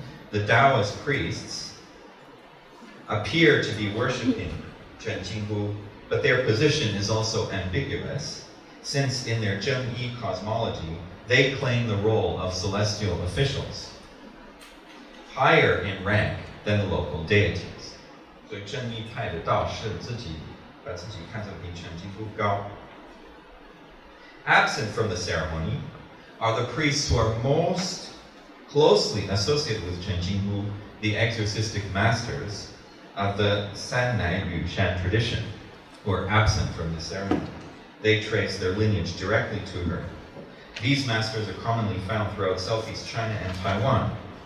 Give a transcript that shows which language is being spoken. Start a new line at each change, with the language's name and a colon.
English: The Taoist priests appear to be worshipping Quan Jin Gu, but their position is also ambiguous, since in their Zhengyi cosmology, they claim the role of celestial officials, higher in rank than the local deities.
Chinese: 所以正义派的道士把自己看作比全金姑高。
English: Absent from the ceremony are the priests who are most. Closely associated with Chen Jinghu, the exorcistic masters of the San Nai Yu Shan tradition, who are absent from the ceremony. They trace their lineage directly to her. These masters are commonly found throughout Southeast China and Taiwan.